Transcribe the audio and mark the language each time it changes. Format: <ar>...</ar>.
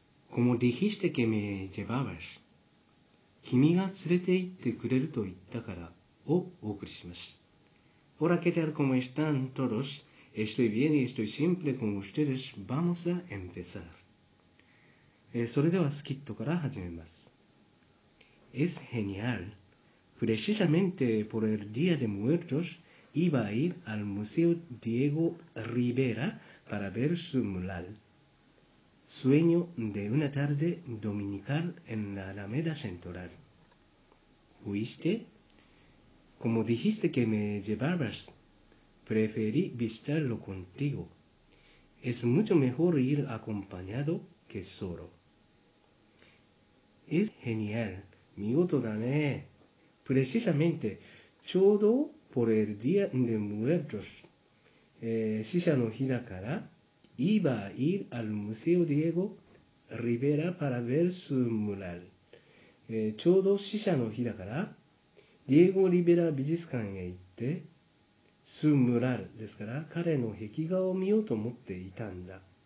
<es>Como dijiste que me llevabas,</es> <ja>君が連れて行ってくれると言ったからをお送りします。</ja> <es>Hola, ¿qué tal? ¿Cómo están todos? Estoy bien y estoy siempre con ustedes. Vamos a empezar.</es> <ja>それではスキットから始めます。</ja> <es>Es genial. Precisamente por el Día de Muertos, iba a ir al Museo Diego Rivera para ver su mural. Sueño de una tarde dominical en la Alameda Central. ¿Fuiste? Como dijiste que me llevabas, preferí visitarlo contigo. Es mucho mejor ir acompañado que solo. Es genial.</es> <ja>見事だね。</ja> <es>Precisamente,</es> <ja>ちょうど</ja> <es>Por el día de muertos,</es> <ja>死者の日だから、</ja> <es>iba a ir al Museo Diego Rivera para ver su mural.</es> <ja>ちょうど死者の日だから、Diego Rivera 美術館へ行って、</ja> <es>su mural</es> <ja>ですから、彼の壁画を見ようと思っていたんだ。</ja>